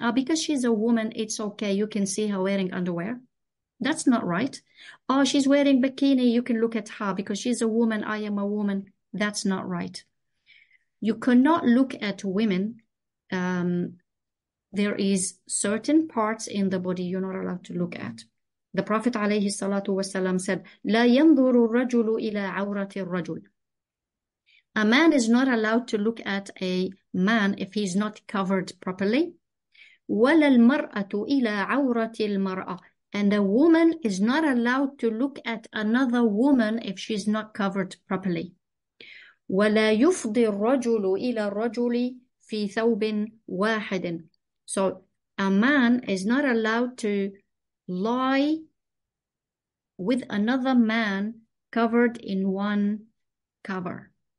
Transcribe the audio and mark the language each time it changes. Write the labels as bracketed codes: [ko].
[en] Ah, because she's a woman, it's okay. You can see her wearing underwear. That's not right. Oh, she's wearing bikini. You can look at her because she's a woman. I am a woman. That's not right. You cannot look at women. There is certain parts in the body you're not allowed to look at. The Prophet [ar] عليه الصلاة والسلام [en] said, [ar] لا ينظر الرجل إلى عورة الرجل. [en] A man is not allowed to look at a man if he's not covered properly. [ar] ولا المرأة إلى عورة المرأة. [en] And a woman is not allowed to look at another woman if she's not covered properly. [ar] وَلَا يُفْضِي الرَّجُلُ إِلَى الرَّجُلِ فِي ثَوْبٍ وَاحِدٍ. [en] So a man is not allowed to lie with another man covered in one cover.